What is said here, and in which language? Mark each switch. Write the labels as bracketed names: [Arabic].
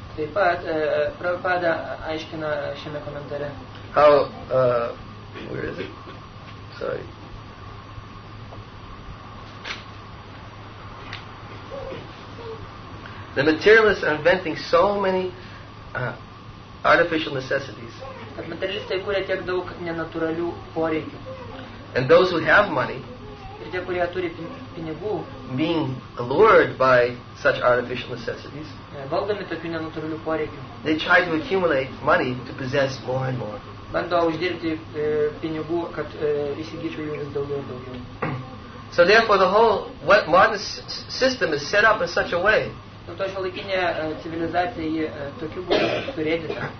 [Lithuanian] Taip pat, Prabhupada aiškina šiame komentare. [English] How, where is it? Sorry. The materialists are inventing so many artificial necessities. [Lithuanian] Kad materialistai kuria tiek daug nenatūralių poreikių. [English] And those who have money, [Lithuanian] ir tie, kurie turi pinigų, [English] being lured by such artificial necessities, [Lithuanian] valdomi tokių nenatūralių poreikių, [English] they try to accumulate money to possess more and more. [Lithuanian] Bando uždirbti pinigų, kad įsigyčiau jų vis daugiau ir daugiau. [English] So therefore the whole modern system is set up in such a way. [Lithuanian] Dėl to šiuolaikinė civilizacija jį tokiu būdu surėdyta.